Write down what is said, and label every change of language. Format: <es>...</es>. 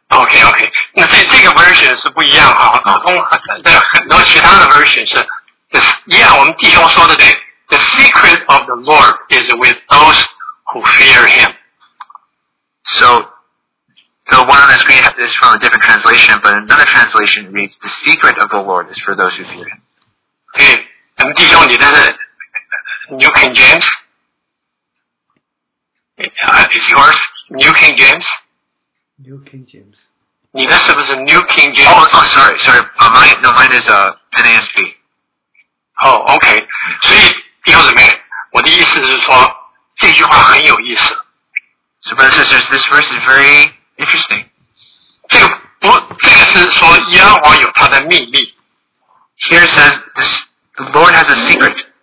<zh>Okay, okay. 那这个 version 是不一样啊。很多其他的 version 是我们弟兄说的对。</zh> <en>The secret of the Lord is with those who fear him. So, the one on the screen is from a different translation, but another translation reads, the secret of the Lord is for those who fear him.</en> <zh>Okay, 弟兄你的 New King James?</zh> <en>Is yours New King James? New King James.</en> <zh>你的是不是 New King James?</zh> <en>Oh, sorry, mine is NASB. Oh, okay.</en> <zh>所以弟兄姊妹，我的意思是说，这句话很有意思。</zh> <en>So, brothers and sisters, this verse is very interesting.</en> <zh>这个是说耶和华有他的秘密。</zh> <en>Here says this, the Lord has a secret.</en>